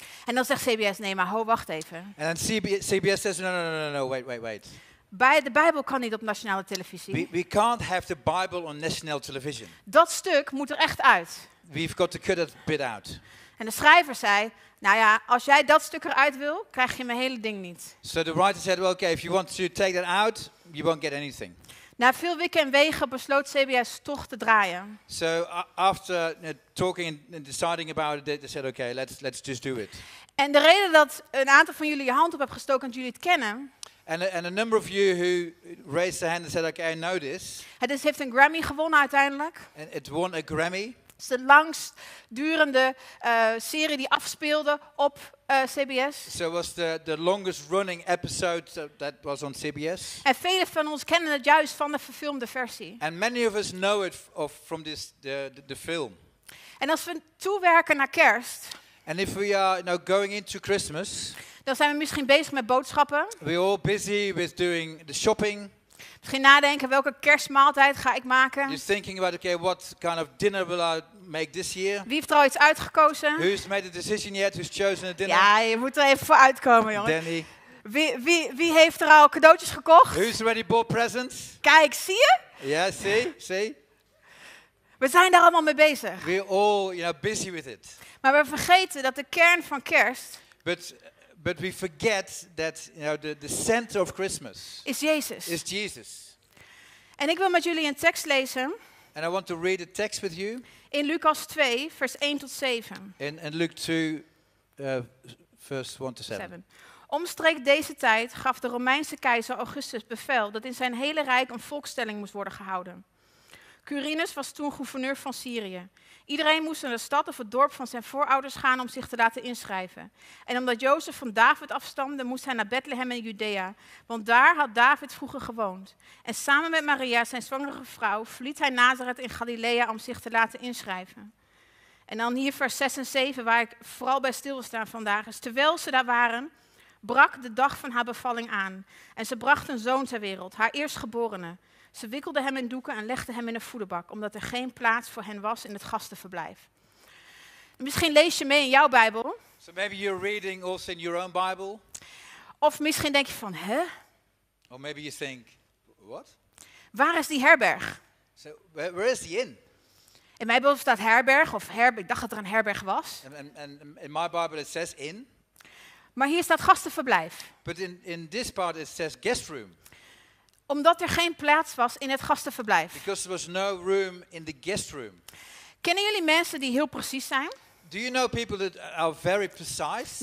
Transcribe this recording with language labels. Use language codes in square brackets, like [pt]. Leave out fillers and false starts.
[nl] En dan zegt CBS, nee, maar ho, wacht even. [en] And then CBS says, no, wait. [nl] Bij de Bijbel kan niet op nationale televisie. [en] We can't have the Bible on national television. [nl] Dat stuk moet er echt uit. [en] We've got to cut that bit out. [nl] En de schrijver zei, nou ja, als jij dat stuk eruit wil, krijg je mijn hele ding niet. [en] So the writer said, well, okay, if you want to take that out, you won't get anything. [nl] Na veel wikken en wegen besloot CBS toch te draaien. [en] So after talking and deciding about it, they said, okay, let's just do it. [nl] En de reden dat een aantal van jullie je hand op hebben gestoken en jullie het kennen. [en] And a number of you who raised their hand and said, okay, I know this. [nl] Het is, heeft een Grammy gewonnen uiteindelijk. [en] And it won a Grammy. [nl] Het is de langst durende serie die afspeelde op CBS. [en] So was the longest running episode that was on CBS. [nl] En velen van ons kennen het juist van de verfilmde versie. [en] And many of us know it from this the film. [nl] En als we toewerken naar Kerst. [en] And if we are now going into Christmas. [nl] Dan zijn we misschien bezig met boodschappen. [en] We're all busy with doing the shopping. [nl] Misschien nadenken welke kerstmaaltijd ga ik maken. [en] You're thinking about okay, what kind of dinner will I make this year? [nl] Wie heeft er al iets uitgekozen? [en] Who's made a decision yet? Who's chosen a dinner? [nl] Ja, je moet er even voor uitkomen, jongen. Danny. Wie heeft er al cadeautjes gekocht? [en] Who's already bought presents? [nl] Kijk, zie je? [en] Yeah, see. [nl] We zijn daar allemaal mee bezig. [en] We're all, you know, busy with it. [nl] Maar we vergeten dat de kern van Kerst. [en] But we forget that, you know, the center of Christmas [nl] is Jezus. [en] Is Jesus. [nl] En ik wil met jullie een tekst lezen. [en] And I want to read a text with you. [nl] In Lucas 2, vers 1 tot 7. [en] In Luke 2, [nl] vers 1 tot 7. Omstreeks deze tijd gaf de Romeinse keizer Augustus bevel dat in zijn hele rijk een volkstelling moest worden gehouden. Quirinus was toen gouverneur van Syrië. Iedereen moest naar de stad of het dorp van zijn voorouders gaan om zich te laten inschrijven. En omdat Jozef van David afstamde, moest hij naar Bethlehem in Judea. Want daar had David vroeger gewoond. En samen met Maria, zijn zwangere vrouw, verliet hij Nazareth in Galilea om zich te laten inschrijven. En dan hier vers 6 en 7, waar ik vooral bij stil wil staan vandaag, is terwijl ze daar waren, brak de dag van haar bevalling aan. En ze bracht een zoon ter wereld, haar eerstgeborene. Ze wikkelden hem in doeken en legden hem in een voederbak, omdat er geen plaats voor hen was in het gastenverblijf. Misschien lees je mee in jouw Bijbel. [en] So maybe you're reading also in your own Bible. [nl] Of misschien denk je van, hè? [en] Or maybe you think, what? [nl] Waar is die herberg? [en] So where is the inn? [nl] In mijn Bijbel staat herberg of herberg. Ik dacht dat er een herberg was. [en] And in my Bible it says inn. [nl] Maar hier staat gastenverblijf. [en] But in this part it says guest room. [nl] Omdat er geen plaats was in het gastenverblijf. [en] Because there was no room in the guest room. [nl] Kennen jullie mensen die heel precies zijn? [en] Do you know people that are very precise?